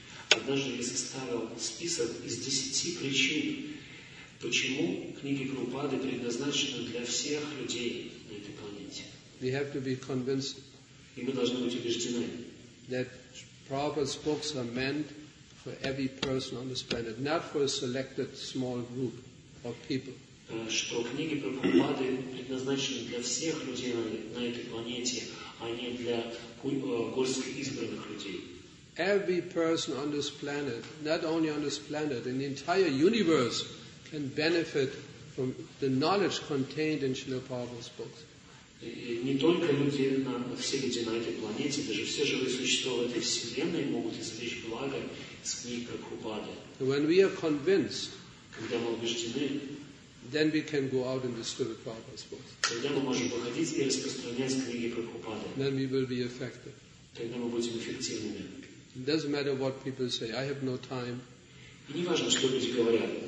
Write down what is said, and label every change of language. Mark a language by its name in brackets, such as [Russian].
[Russian] Однажды я составил список из 10 причин, почему книги Прабхупады предназначены для всех людей на этой планете. [English] We have to be convinced. [Russian] И мы должны быть убеждены. [English] That Prabhupada's books are meant for every person on this planet, not for a selected small group of people. [Russian] Что книги Прабхупады предназначены для всех людей на этой планете, а не для горстки избранных людей. [English] Every person on this planet, not only on this planet, in the entire universe, can benefit from the knowledge contained in Srila Prabhupada's books. [Russian] И не только люди на все люди на этой планете, даже все живые существа в этой вселенной могут извлечь благо из книг Прабхупады. [English] When we are convinced, [Russian] когда мы убеждены, [English] then we can go out and distribute Prabhupada's books. [Russian] Тогда мы можем выходить и распространять книги Прабхупады. [English] Then we will be effective. [Russian] Тогда мы будем эффективными. [English] It doesn't matter what people say. I have no time. [Russian] И не важно, что люди говорят.